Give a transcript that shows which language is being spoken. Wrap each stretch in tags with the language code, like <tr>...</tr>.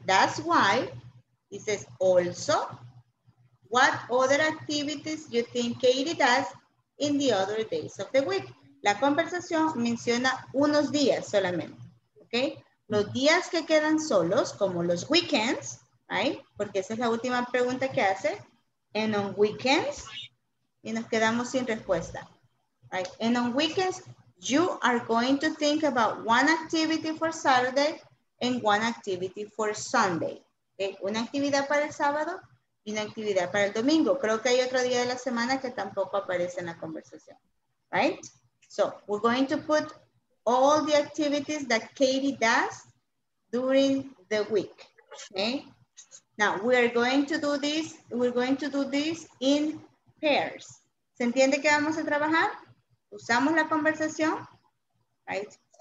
<en>That's why it says also, what other activities you think Katie does in the other days of the week.</en> <es>La conversación menciona unos días solamente, okay? Los días que quedan solos, como los weekends, right? Porque esa es la última pregunta que hace.</es> <en>And on weekends,</en> <es>y nos quedamos sin respuesta, right?</es> <en>And on weekends, you are going to think about one activity for Saturday and one activity for Sunday. Okay?</en> <es>Una actividad para el sábado y una actividad para el domingo. Creo que hay otro día de la semana que tampoco aparece en la conversación.</es> <en>Right? So, we're going to put all the activities that Katie does during the week. Okay? Now, we are going to do this. We're going to do this in pairs.</en> <es>¿Se entiende que vamos a trabajar? Usamos la conversación, right?</es>